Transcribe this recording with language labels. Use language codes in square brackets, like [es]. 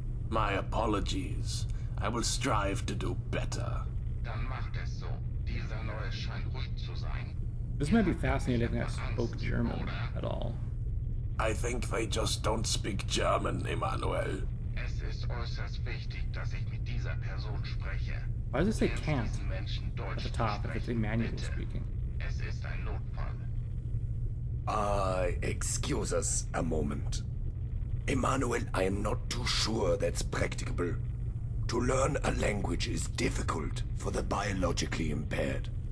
[en] My apologies. I will strive to do better. [de] Dann macht es so. Dieser neue scheint ruhig zu sein. [en] This might be fascinating if I spoke German at all. I think they just don't speak German, Emmanuel. [de] Es ist äußerst wichtig, dass ich mit dieser Person spreche. [en] Why does it say can't at the top if it's Emmanuel speaking? [de] Es ist ein Notfall. [en] Excuse us a moment. Emmanuel, I am not too sure that's practicable. To learn a language is difficult for the biologically impaired.